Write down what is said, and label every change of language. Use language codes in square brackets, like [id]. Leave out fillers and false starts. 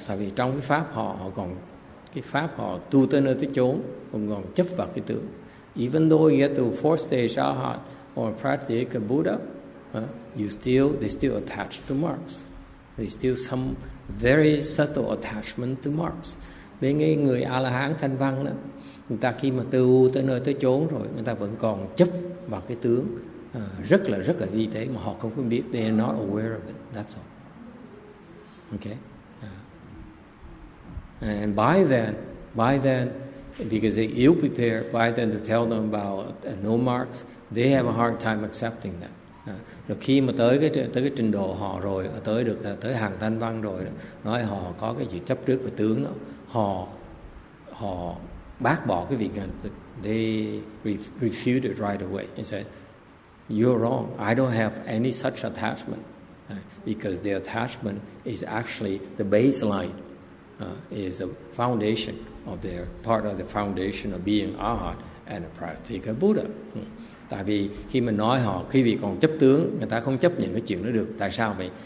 [vi] Tại vì trong cái pháp họ còn cái pháp họ tu tới nơi tới chốn, không còn chấp vào cái tướng. [en] Even though you get to fourth stage arhat or practice Buddha, they still attach to marks. They still some very subtle attachment to marks. [vi] Bên người A La Hán thanh văn đó, người ta khi mà tu tới nơi tới chốn rồi, người ta vẫn còn chấp vào cái tướng rất là vi tế mà họ không có biết. [en] They are not aware of it. That's all. Okay, and by then, because they ill prepare, by then to tell them about no marks, they have a hard time accepting that. [vi] Rồi khi mà tới cái trình độ họ rồi, tới được tới hàng thanh văn rồi, nói họ có cái gì chấp trước về tướng đó, họ họ bác bỏ cái việc ngàn tịch. [en] They refute it right away and said, "You're wrong. I don't have any such attachment." Because the attachment is actually the baseline, is the foundation of their part of the foundation of being Arhat and a practice of Buddha. [vi] Tại vì khi mình nói họ quý vị còn chấp tướng, người ta không chấp nhận cái chuyện đó được. Tại sao vậy?